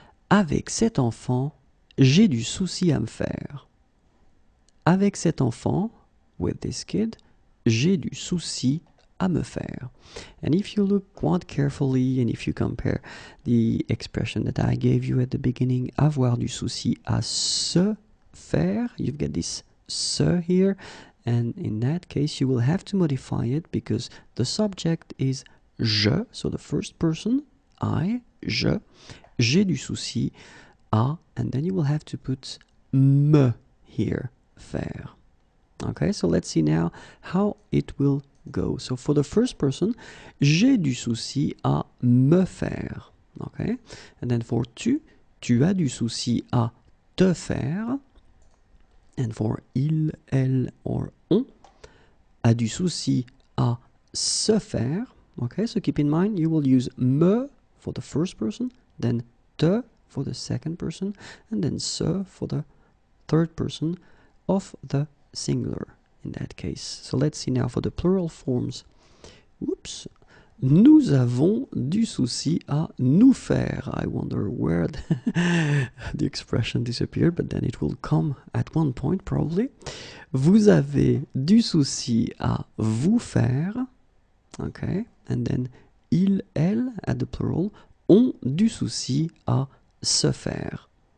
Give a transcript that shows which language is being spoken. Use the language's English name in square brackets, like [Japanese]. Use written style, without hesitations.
[French] Avec cet enfant, j'ai du souci à me faire. Avec cet enfant, [English] with this kid, [French] j'ai du souci à me faire. [English] And if you look quite carefully and if you compare the expression that I gave you at the beginning, [French] avoir du souci à se faire, [English] you've got this se here, and in that case you will have to modify it because the subject is je, so the first person, I, je, [French] j'ai du souci à, [English] and then you will have to put me here, faire. Okay, so let's see now how it will go. So for the first person, [French] j'ai du souci à me faire. [English] Okay, and then for [French] tu as du souci à te faire. [English] And for [French] il, elle, or on, a du souci à se faire. [English] Okay, so keep in mind, you will use me for the first person, then te for the second person, and then se for the third person of the singular in that case. So let's see now for the plural forms. Oops. [French] Nous avons du souci à nous faire. [English] I wonder where the expression disappeared, but then it will come at one point, probably. [French] Vous avez du souci à vous faire. [English] Okay, and then [French] il, elle, [English] at the plural, [French] ont du souci à se faire.